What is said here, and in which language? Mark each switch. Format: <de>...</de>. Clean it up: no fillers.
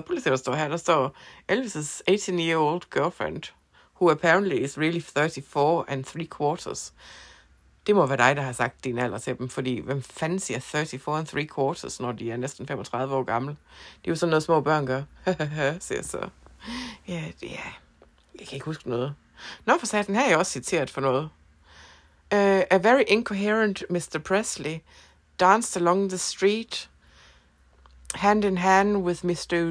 <da>Prøv lige at se, der står her. Der står</da> <en>Elvis' 18-year-old girlfriend, who apparently is really 34 and 3/4.</en> <da>Det må være dig, der har sagt din alder til dem, fordi hvem fanden siger</da> <en>34 and 3/4,</en> <da>når de er næsten 35 år gamle? Det er jo sådan noget, små børn gør. Siger så. Ja, det er, jeg kan ikke huske noget. Nå, for satan, her er jeg også citeret for noget.</da> <en>A very incoherent Mr. Presley danced along the street, hand in hand with Mr.</en>